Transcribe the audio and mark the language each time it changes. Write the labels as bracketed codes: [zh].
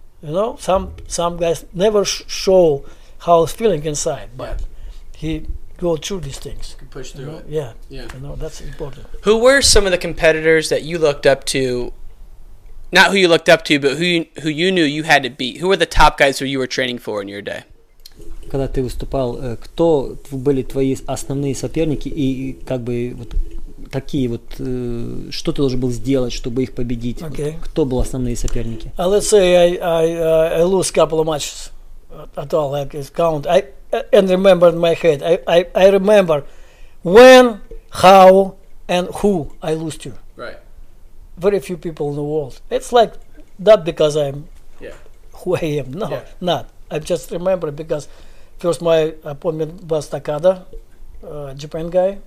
[en] You know, some guys never show how it's feeling inside, but yeah. Go through these things. You can push through you know? It. Yeah. Yeah. You know, that's important. Who were some of the competitors that you looked up to? Not who you looked up to, but who you knew you had to beat. Who were the top guys who you were training for in your day? [ru] Когда ты выступал, кто были твои основные соперники и как бы вот такие вот что ты должен был сделать, чтобы их победить? [en] Okay. [ru] Вот, кто были основные соперники? [en] Let's say I lose a couple of matches. At all, like it's count. And remember in my head, I remember when, how, and who I lose to. Right. Very few people in the world. It's like not because I'm yeah. who I am. No, yeah. not. I just remember because first my opponent was Takada, Japan guy.